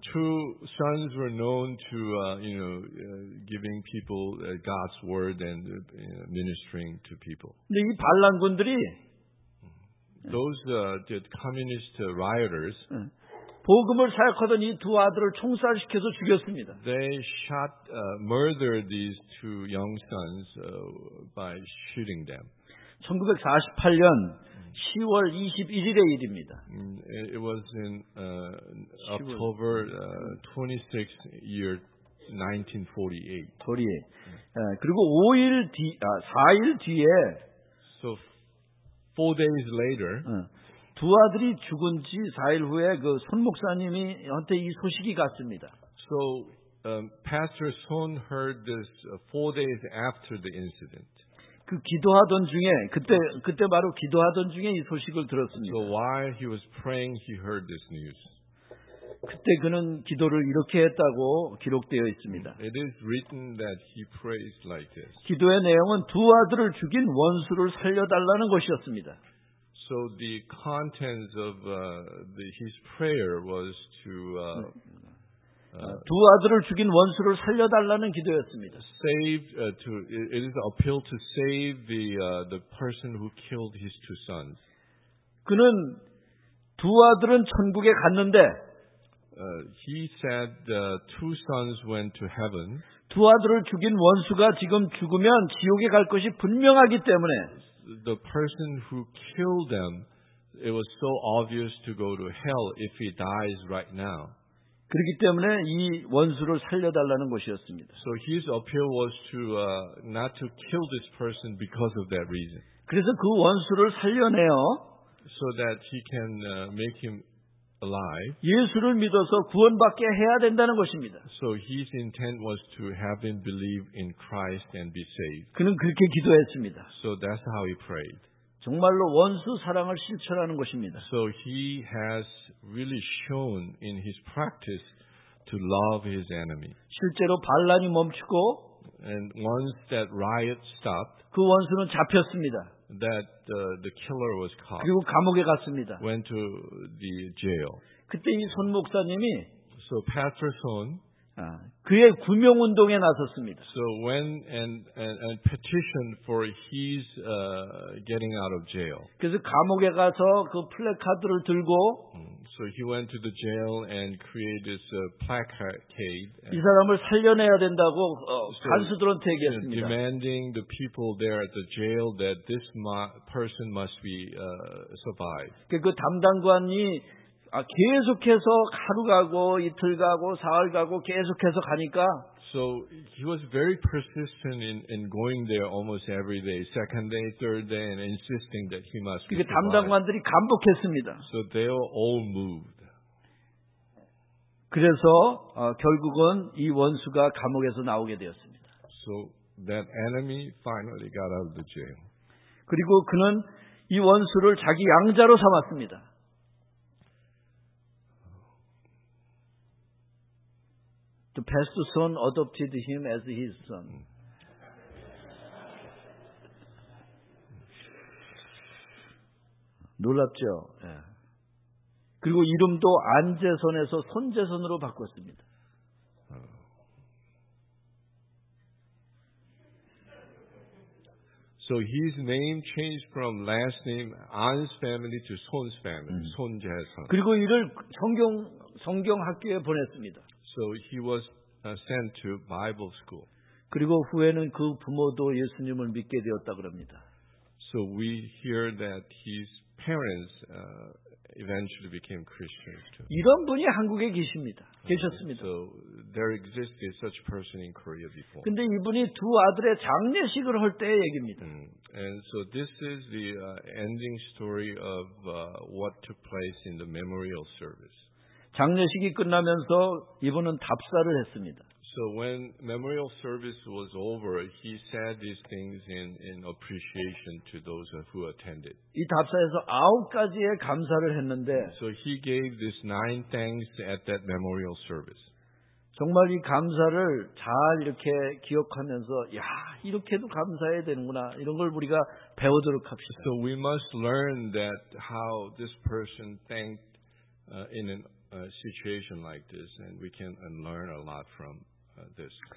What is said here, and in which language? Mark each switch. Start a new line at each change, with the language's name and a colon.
English: Two sons were known to you know giving people God's word and ministering to people.
Korean: 근데 이 반란군들이
English: those the communist rioters
Korean: 복음을 사역하던 이 두 아들을 총살시켜서 죽였습니다.
English: They shot, murdered these two young sons by shooting them.
Korean: 1948년 10월 21일의 일입니다.
English: It was in October 26th year 1948.
Korean: 그리고 4일 뒤에
English: So 4 days later
Korean: 두 아들이 죽은 지 4일 후에 그 손 목사님이한테 이 소식이 갔습니다.
English: So Pastor Son heard this four days after the incident.
Korean: 그 기도하던 중에 그때 바로 기도하던 중에 이 소식을 들었습니다.
English: So while he was praying, he heard this news.
Korean: 그때 그는 기도를 이렇게 했다고 기록되어 있습니다.
English: It is written that he prays like this.
Korean: 기도의 내용은 두 아들을 죽인 원수를 살려달라는 것이었습니다.
English: So the contents of his prayer was to
Korean: 두 아들을 죽인 원수를 살려달라는 기도였습니다.
English: Saved to it is an appeal to save the person who killed his two sons.
Korean: 그는 두 아들은 천국에 갔는데
English: he said the two sons went to heaven.
Korean: 두 아들을 죽인 원수가 지금 죽으면 지옥에 갈 것이 분명하기 때문에
English: The person who killed them, it was so obvious to go to hell if he dies right now.
Korean: 그렇기 때문에 이 원수를 살려달라는 것이었습니다.
English: So his appeal was to not to kill this person because of that reason.
Korean: 그래서 그 원수를 살려내어
English: so that he can make him alive.
Korean: 예수를 믿어서 구원받게 해야 된다는 것입니다.
English: So his intent was to have him believe in Christ and be saved.
Korean: 그는 그렇게 기도했습니다.
English: So that's how he prayed.
Korean: 정말로 원수 사랑을 실천하는 것입니다.
English: So he has really shown in his practice to love his enemy.
Korean: 실제로 반란이 멈추고
English: and once that riot stopped,
Korean: 그 원수는 잡혔습니다.
English: That the killer was caught.
Korean: 그리고 감옥에 갔습니다.
English: Went to the jail.
Korean: 그때 이 손 목사님이
English: So Pastor Son
Korean: 그의 구명 운동에 나섰습니다.
English: So when and petitioned for his getting out of jail.
Korean: 그래서 감옥에 가서 그 플래카드를 들고.
English: So he went to the jail and created this placard.
Korean: 이 사람을 살려내야 된다고 간수들한테 얘기했습니다.
English: Demanding the people there at the jail that this person must be survived.
Korean: 그 담당관이 계속해서 하루 가고 이틀 가고 사흘 가고 계속해서 가니까.
English: So he was very persistent in going there almost every day, second day, third day, and insisting that he must.
Korean: 그게 담당관들이 감복했습니다.
English: So they were all moved.
Korean: 그래서 결국은 이 원수가 감옥에서 나오게 되었습니다.
English: So that enemy finally got out of the jail.
Korean: 그리고 그는 이 원수를 자기 양자로 삼았습니다.
English: The pastor's son adopted him as his son.
Korean: 놀랍죠. 예. 그리고 이름도 안재선에서 손재선으로 바꿨습니다. 어.
English: So his name changed from last name An's family to Son's family.
Korean: 손재선. 그리고 이를 성경 학교에 보냈습니다.
English: So he was sent to Bible school.
Korean: 그리고 후에는 그 부모도 예수님을 믿게 되었다고 합니다.
English: So we hear that his parents eventually became Christians too.
Korean: 이런 분이 한국에 계십니다. 계셨습니다.
English: So there existed such person in Korea before.
Korean: 근데 이분이 두 아들의 장례식을 할 때의 얘기입니다.
English: And so this is the ending story of what took place in the memorial service.
Korean: 장례식이 끝나면서 이분은 답사를 했습니다.
English: So when memorial service was over, he said these things in appreciation to those who attended.
Korean: 이 답사에서 아홉 가지의 감사를 했는데.
English: So he gave these nine thanks at that memorial service.
Korean: 정말 이 감사를 잘 이렇게 기억하면서 야 이렇게도 감사해야 되는구나 이런 걸 우리가 배우도록 합시다.
English: So we must learn that how this person thanked in an a situation like this and we can learn a lot from this.